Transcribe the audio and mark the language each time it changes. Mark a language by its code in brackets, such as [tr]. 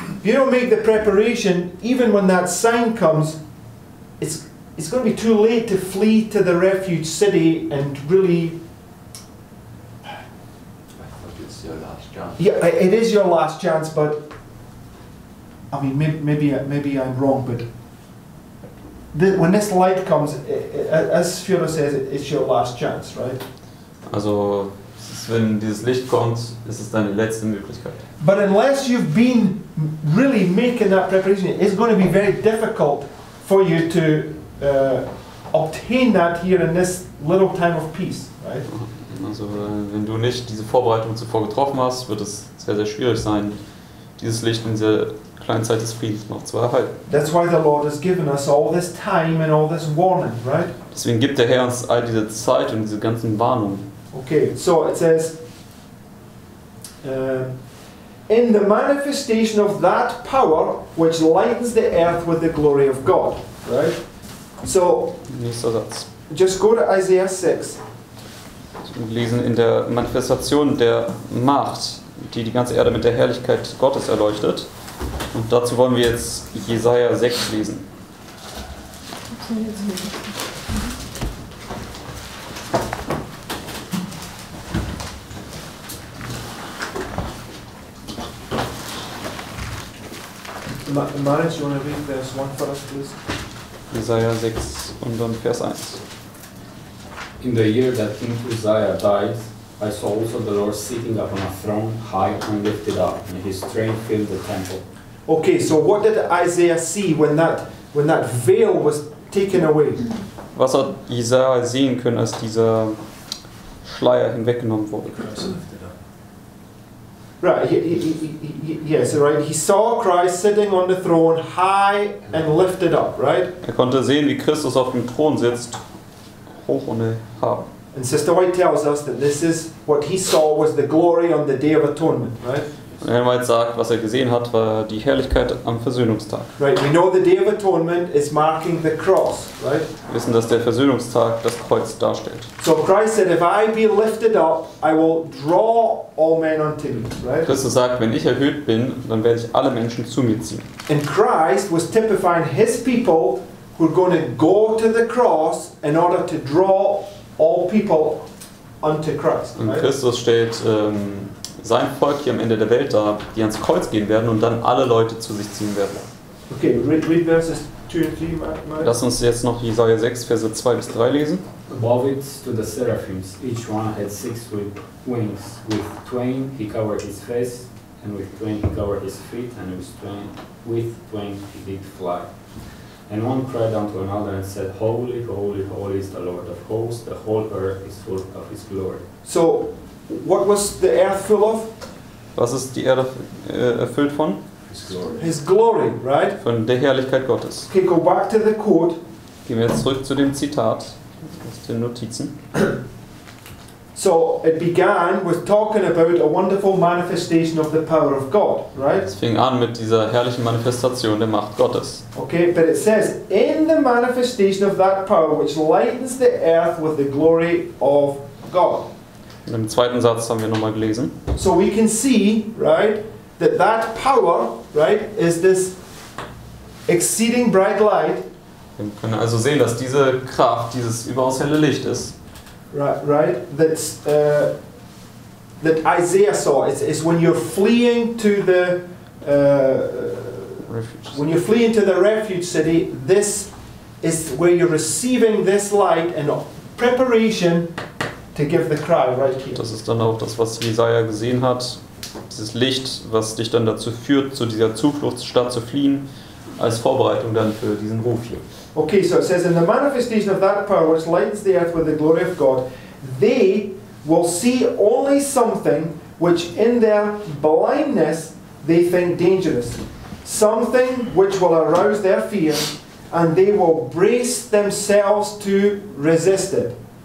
[en] If you don't make the preparation, even when that sign comes, it's going to be too late to flee to the refuge city and really. I thought it's your last chance. Yeah, it is your last chance, but I mean, maybe I'm wrong, but when this light comes, as Fiona says, it's your last chance, right? [de] Also, wenn dieses Licht kommt, ist es deine letzte Möglichkeit. [en] But unless you've been really making that preparation, it's going to be very difficult for you to obtain that here in this little time of peace, right? [de] Also wenn du nicht diese Vorbereitung zuvor getroffen hast, wird es sehr sehr schwierig sein, dieses Licht in dieser kleinen Zeit des Friedens noch zu erhalten. [en] That's why the Lord has given us all this time and all this warning, right? [de] Deswegen gibt der Herr uns all diese Zeit und diese ganzen Warnungen. [en] Okay, so it says, in the manifestation of that power which lightens the earth with the glory of God, right? So, [de] nächster Satz. [en] Just go to Isaiah 6. [de] Wir lesen in der Manifestation der Macht, die die ganze Erde mit der Herrlichkeit Gottes erleuchtet. Und dazu wollen wir jetzt Jesaja 6 lesen. [en] Marius, you want to read verse 1 for us, please? [de] Jesaja 6 und dann Vers 1. [en] In the year that King Uzziah died, I saw also the Lord sitting upon a throne, high and lifted up, and his train filled the temple. Okay, so what did Isaiah see when that veil was taken away? [de] Was hat Jesaja sehen können, als dieser Schleier hinweggenommen wurde? [en] Right, he saw Christ sitting on the throne, high and lifted up, right? [de] Er konnte sehen, wie Christus auf dem Thron sitzt, hoch und erhaben. [en] And Sister White tells us that this is what he saw was the glory on the Day of Atonement, right? [de] Und Herr White sagt, was er gesehen hat, war die Herrlichkeit am Versöhnungstag. [en] Right, we know the Day of Atonement is marking the cross, right? [de] Wir wissen, dass der Versöhnungstag das Kreuz darstellt. [en] So Christ said, if I be lifted up, I will draw all men unto me, right? [de] Christus sagt, wenn ich erhöht bin, dann werde ich alle Menschen zu mir ziehen. [en] And Christ was typifying his people who are going to go to the cross in order to draw all people unto Christ. [de] Und Christus stellt sein Volk hier am Ende der Welt da, die ans Kreuz gehen werden und dann alle Leute zu sich ziehen werden. [en] Okay, read verses 2 and 3, Mike. [de] Lass uns jetzt noch Jesaja 6, Verse 2 bis 3 lesen. [en] Above it stood the seraphims, each one had 6 wings. With twain he covered his face, and with twain he covered his feet, and with twain he did fly. And one cried unto another and said, Holy, holy, holy is the Lord of hosts, the whole earth is full of his glory. So, what was the earth full of? [de] Was ist die Erde erfüllt von? [en] His glory. His glory, right? [de] Von der Herrlichkeit Gottes. [en] Okay, go back to the quote. [de] Gehen wir jetzt zurück zu dem Zitat aus den Notizen. [en] So it began with talking about a wonderful manifestation of the power of God, right? [de] Es fing an mit dieser herrlichen Manifestation der Macht Gottes. [en] Okay, but it says in the manifestation of that power which lightens the earth with the glory of God. [de] Im zweiten Satz haben wir nochmal gelesen. [en] So we can see, right, that power, right, is this exceeding bright light. [de] Wir können also sehen, dass diese Kraft, dieses überaus helle Licht ist. [en] Right, that Isaiah saw. It's when you're fleeing to the refuge. When you're fleeing to the refuge city, this is where you're receiving this light in preparation to give the cry right here. [de] Das ist dann auch das, was Jesaja gesehen hat, dieses Licht, was dich dann dazu führt, zu dieser Zufluchtsstadt zu fliehen, als Vorbereitung dann für diesen Ruf hier. [en] Okay, so it says, in the manifestation of that power which lights the earth with the glory of God, they will see only something which in their blindness they think dangerous, something which will arouse their fear, and they will brace themselves to resist it.